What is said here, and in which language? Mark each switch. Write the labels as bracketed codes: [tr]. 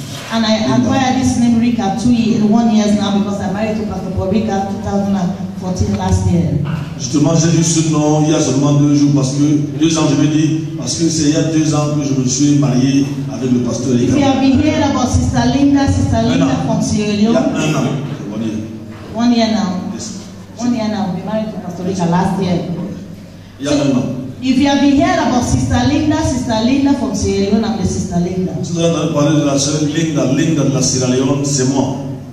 [en] And I acquired this name Rika 1 year now because I married to Pastor Paul Rika 2014 last year. [fr] Justement, j'ai eu ce nom il y a seulement 2 jours parce que 2 ans, je me dis, parce que c'est il y a 2 ans que je me suis marié avec le pasteur Rika. [en] If you have been hearing about Sister Linda from Sierra Leone. [fr] Il y a 1 an. [en] 1 year now. Yes. 1 year now. We married to Pastor Rika last year. [fr] Il y a 1 an. [en] If you have been hearing about Sister Linda from Sierra Leone, I'm the Sister Linda. [fr] Si vous avez parlé de la sœur Linda de la Sierra Leone, c'est moi.